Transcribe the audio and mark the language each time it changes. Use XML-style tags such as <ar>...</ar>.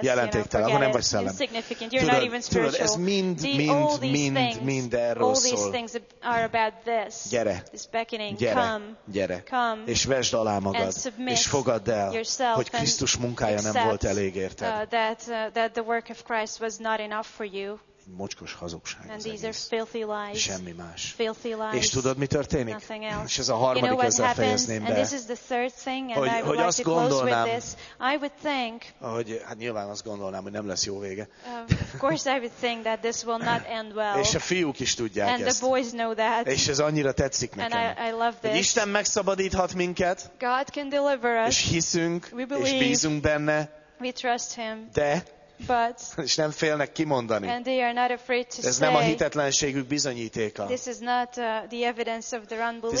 <hu>jelentéktelen, ha nem vagy szellem. Tudod, ez mind erről szól. Gyere! Gyere, és vesd alá magad, és fogadd el, hogy Krisztus munkája nem volt elég érted.</hu> <en>That the work of Christ was not enough for you.</en> <hu>Egy mocskos hazugság</hu> <en>and these are filthy lies.</en> <hu>Semmi más.</hu> <en>Filthy lies.</en> <hu>És tudod, mi történik?</hu> <en>Nothing else.</en> <hu>És ez a harmadik,</hu> <en>you know</en> <hu>ezzel fejezném be.</hu> <en>And this is the third thing, and</en> <hu>hogy,</hu> <en>I would like to</en> <hu>gondolnám,</hu> <en>close with this. I would think,</en> <hu>hogy, hát nyilván azt gondolnám, hogy nem lesz jó vége.</hu> <en>Of course I would think that this will not end well.</en> <hu>És a fiúk is tudják</hu> <en>and</en> <hu>ezt.</hu> <en>And the boys know that.</en> <hu>És ez annyira tetszik nekem.</hu> <en>And I love this.</en> <hu>Hogy Isten megszabadíthat minket.</hu> <en>God can deliver us.</en> <hu>És hiszünk,</hu> <en>we believe,</en> <hu>és bízunk benne.</hu> <en>We trust him.</en> <hu>De</hu> <en>but,</en> <hu>és nem félnek kimondani.</hu> <en>And they are not afraid to</en> <hu>ez</hu> <en>say,</en> <hu>nem a hitetlenségük bizonyítéka.</hu> <en>This is not the evidence of their unbelief.</en>